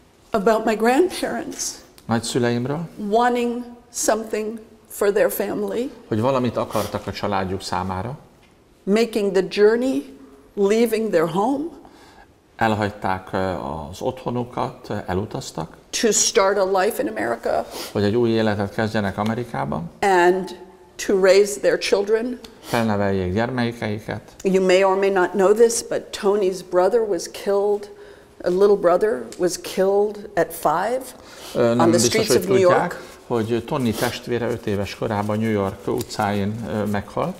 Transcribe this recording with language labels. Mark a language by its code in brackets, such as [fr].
[en] About my grandparents. [hu] Nagyszüleimről. [en] Wanting something for their family. [hu] Hogy valamit akartak a családjuk számára. [en] Making the journey, leaving their home. [hu] elhagyták az otthonukat, elutaztak. [en] To start a life in America. [hu] Hogy egy új életet kezdjenek Amerikában. [en] And to raise their children. [hu] Felneveljék gyermekeiket. [en] You may or may not know this, but Tony's brother was killed. A little brother was killed at 5 on the streets of New York. [hu] Hogy Tony testvére 5 éves korában New York utcáin meghalt.